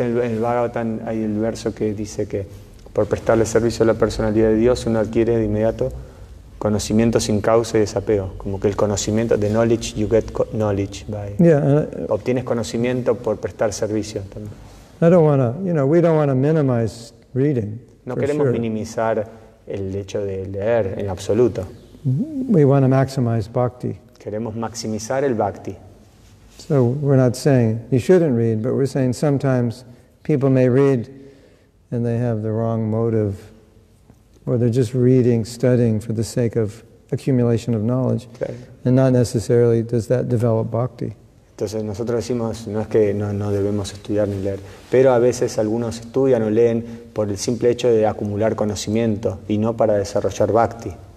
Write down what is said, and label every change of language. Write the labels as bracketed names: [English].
[Spanish] en el Bhagavatam hay el verso que dice que por prestarle servicio a la personalidad de Dios uno adquiere de inmediato conocimiento sin causa y desapego, como que el conocimiento, [English] the knowledge you get knowledge by. Yeah, [Spanish] obtienes conocimiento por prestar servicio también. [English] I don't want to, you know, we don't want to minimize reading. [Spanish] No queremos minimizar el hecho de leer en absoluto. [English] We want to maximize bhakti. [Spanish] Queremos maximizar el bhakti. [English] So we're not saying you shouldn't read, but we're saying sometimes people may read and they have the wrong motive, or they're just reading, studying for the sake of accumulation of knowledge. Okay. And not necessarily does that develop bhakti. [Spanish] Entonces nosotros decimos, no es que no debemos estudiar ni leer, pero a veces algunos estudian o leen por el simple hecho de acumular conocimiento y no para desarrollar bhakti.